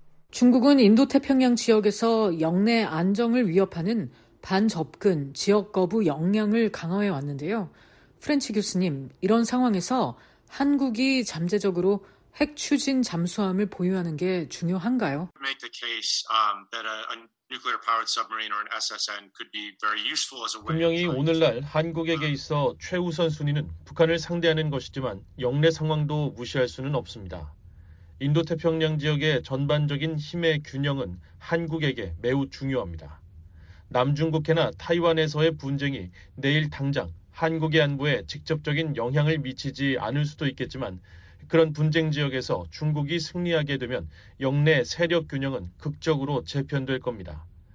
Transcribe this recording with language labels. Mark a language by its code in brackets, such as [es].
[ko] 중국은 인도태평양 지역에서 영내 안정을 위협하는 반접근 지역 거부 역량을 강화해 왔는데요. 프렌치 교수님, 이런 상황에서 한국이 잠재적으로 핵 추진 잠수함을 보유하는 게 중요한가요? [en] Make the case that a nuclear powered submarine or an SSN could be very useful as a way. [ko] 분명히 오늘날 한국에게 있어 최우선 순위는 북한을 상대하는 것이지만 역내 상황도 무시할 수는 없습니다. 인도태평양 지역의 전반적인 힘의 균형은 한국에게 매우 중요합니다. 남중국해나 타이완에서의 분쟁이 내일 당장 한국의 안보에 직접적인 영향을 미치지 않을 수도 있겠지만 그런 분쟁 지역에서 중국이 승리하게 되면 역내 세력 균형은 극적으로 재편될 겁니다.